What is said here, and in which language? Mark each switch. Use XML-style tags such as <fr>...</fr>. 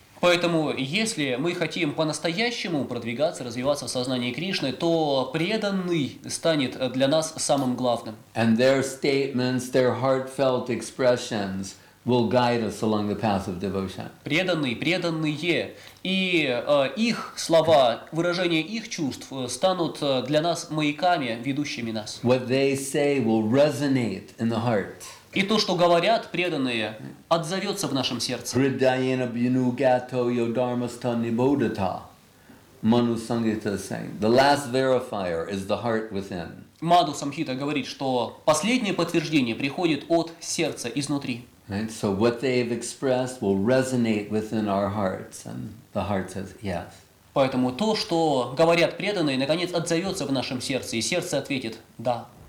<ru>Поэтому, если мы хотим по-настоящему продвигаться, развиваться в сознании Кришны, то преданный станет для нас самым главным.</ru> <en>And their statements, their heartfelt expressions will guide us along the path of devotion.</en> <ru>Преданные, и их слова, выражение их чувств станут для нас маяками, ведущими нас.</ru> <en>What they say will resonate in the heart.</en> <ru>И то, что говорят преданные, отзовется в нашем сердце.</ru> <sa>Хридаяна бьюну гато йо дармаста нибодата.</sa> <en>Ману Сангхита saying, the last verifier is the heart within.</en> <ru>Маду Самхита говорит, что последнее подтверждение приходит от сердца изнутри.</ru> <en>Right? So what they've expressed will resonate within our hearts, and the heart says yes.</en> <ru>Поэтому то, что говорят преданные, наконец отзовется в нашем сердце, и сердце ответит «да».</ru>